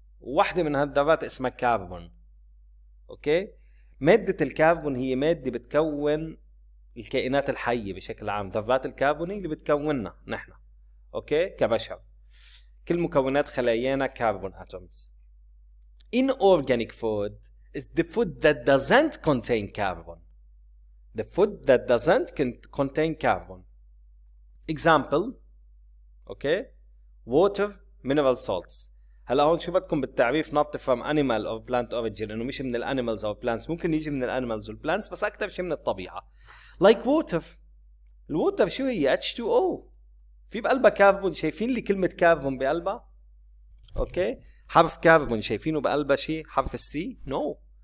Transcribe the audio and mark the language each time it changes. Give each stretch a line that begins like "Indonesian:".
Arabic: وحده من هالذرات اسمها كربون. اوكي؟ مادة الكربون هي مادة بتكون الكائنات الحية بشكل عام, ذرات الكربونية اللي بتكوننا نحن اوكي كبشر. كل مكونات خلايانا كربون اتومز.
English: Inorganic food is the food that doesn't contain carbon. The food that doesn't contain carbon. Example okay water, mineral salts.
Arabic: هلا هون شو بدكم بالتعريف
English: not from animal or plant origin,
Arabic: انه مش من الانيمالز او بلانتس, ممكن يجي من الانيمالز والبلانتس بس اكثر شيء من الطبيعه.
English: Like water.
Arabic: الووتر شو هي؟ H2O. في بقلبها كربون, شايفين لي كلمه كربون بقلبها؟ اوكي حرف كربون شايفينه بقلبها شيء حرف السي؟ نو no.